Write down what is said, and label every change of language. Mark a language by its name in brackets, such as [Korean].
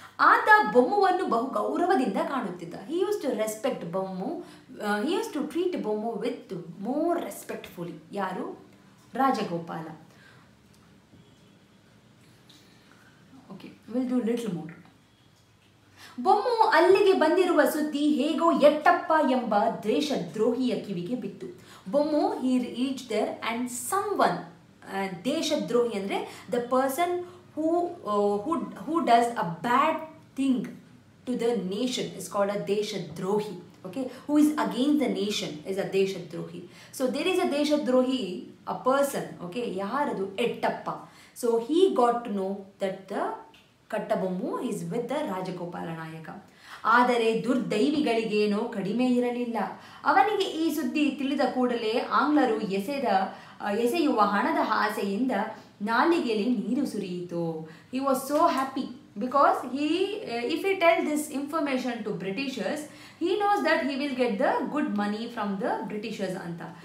[Kannada] ಆತ ಬೊಮ್ಮುವನ್ನು ಬಹು ಗೌರವದಿಂದ ಕಾಣುತ್ತಿದ್ದ. [English] He used to respect Bommu, he used to treat Bommu with more respectfully. [Kannada] ಯಾರು? [English] Rajagopala. Okay, will do little more. [Kannada] Bommu ಅಲ್ಲಿಗೆ ಬಂದಿರುವ ಸುದ್ದಿ ಹೇಗೋ ಎಟ್ಟಪ್ಪ ಎಂಬ ದ್ವೇಷ ದ್ರೋಹಿಯ ಕಿವಿಗೆ ಬಿತ್ತು. [English] Bommu he reach there and someone, [Kannada] ದೇಶದ್ರೋಹಿ ಅಂದರೆ [English] The person who does a bad thing to the nation is called a deshadrohi. Okay, who is against the nation is a deshadrohi. So there is a deshadrohi, a person. Okay, [Kannada] yaradu [English] ettappa. So he got to know that the kattabommu is with the rajagopala nayaka. [Kannada] ಆದರೆ ದುರ್ದೈವಿಗಳಿಗೇನೋ ಕಡಿಮೆ ಇರಲಿಲ್ಲ. ಅವನಿಗೆ ಈ ಸುದ್ದಿ ತಿಳಿದ ಕೂಡಲೇ ಆಂಗ್ಲರು ಎಸೆಯುವ ಹಣದ ಆಸೆಯಿಂದ ನಾಲಿಗೆಯಲ್ಲಿ ನೀರು ಸುರಿಯಿತು. [English] He was so happy because he if you tell this information to Britishers, he knows that he will get the good money from the Britishers ಅಂತ.